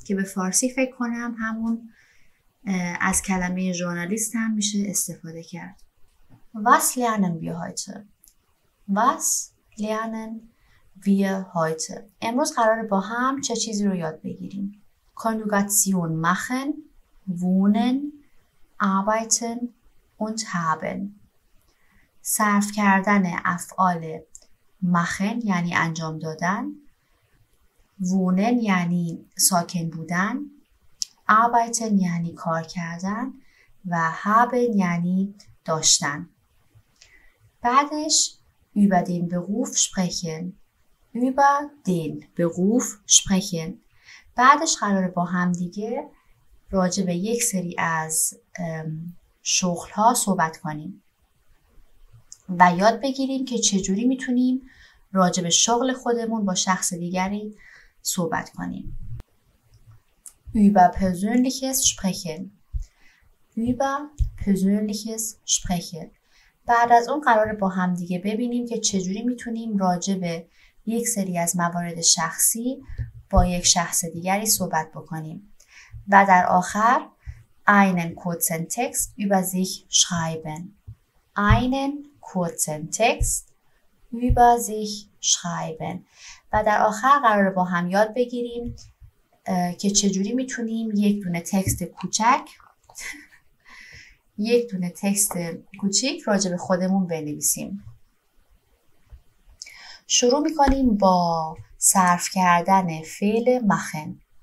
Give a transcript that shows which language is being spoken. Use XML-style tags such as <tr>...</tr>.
<fa>که به فارسی فکر کنم همون از کلمه ژورنالیست هم میشه استفاده کرد.</fa> <de>Was lernen wir heute? Was lernen wir heute?</de> <fa>امروز قراره با هم چه چیزی رو یاد بگیریم.</fa> <de>Konjugation machen, wohnen, arbeiten und haben.</de> <fa>صرف کردن افعال machen یعنی انجام دادن. Wohnen یعنی ساکن بودن. Arbeiten یعنی کار کردن. و haben یعنی داشتن. بعدش</fa> <de>über den Beruf sprechen. Über den Beruf sprechen.</de> <fa>بعدش قراره با هم دیگه راجع به یک سری از شغل ها صحبت کنیم و یاد بگیریم که چجوری میتونیم راجع به شغل خودمون با شخص دیگری صحبت کنیم.</fa> <de>Über persönliches sprechen. Über persönliches sprechen.</de> <fa>بعد از اون قراره با هم دیگه ببینیم که چجوری میتونیم راجع به یک سری از موارد شخصی با یک شخص دیگری صحبت بکنیم. و در آخر</fa> <de>einen kurzen Text über sich schreiben. Einen kurzen Text über sich schreiben.</de> <fa>و در آخر قراره با هم یاد بگیریم که چجوری میتونیم یک دونه تکست کوچک یک دونه تکست کوچیک راجع به خودمون بنویسیم. شروع میکنیم با صرف کردن فعل machen.</fa>